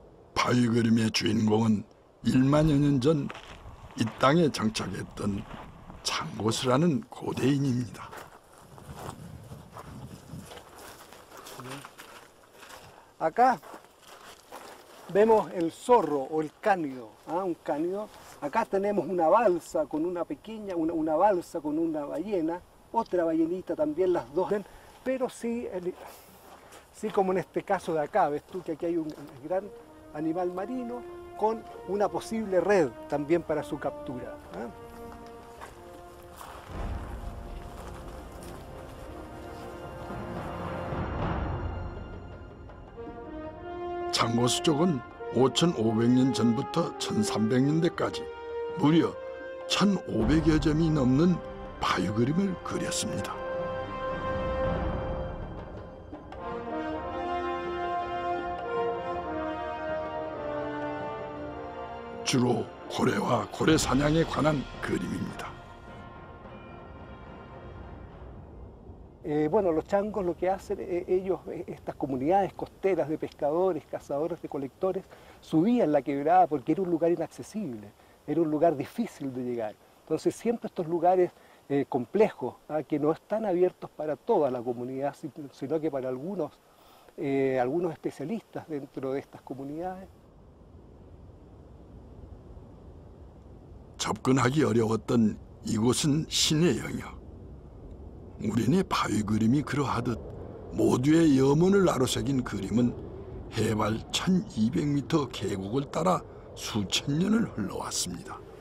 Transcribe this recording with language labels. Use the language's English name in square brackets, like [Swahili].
[Korean] 바위 그림의 주인공은 1만여 년 전 이 땅에 정착했던 창고스라는 고대인입니다. 아까 [Spanish] Vemos el zorro o el cánido, ¿ah? Un cánido. Acá tenemos una balsa con una pequeña, una balsa con una ballena, otra ballenita también, las dos. Pero sí, como en este caso de acá, ves tú que aquí hay un gran animal marino con una posible red también para su captura. ¿Ah? [Korean] 창고스 쪽은 5,500년 전부터 1,300년대까지 무려 1,500여 점이 넘는 바위 그림을 그렸습니다. 주로 고래와 고래 사냥에 관한 그림입니다. [Spanish] Bueno, los changos lo que hacen ellos, estas comunidades costeras de pescadores, cazadores, recolectores, subían la quebrada porque era un lugar inaccesible, era un lugar difícil de llegar. Entonces siempre estos lugares complejos, ¿ah? Que no están abiertos para toda la comunidad, sino que para algunos especialistas dentro de estas comunidades. [Korean] 접근하기 어려웠던 이곳은 신의 영역. 우리네 바위 그림이 그러하듯 모두의 염원을 나로새긴 그림은 해발 1,200m 계곡을 따라 수천 년을 흘러왔습니다.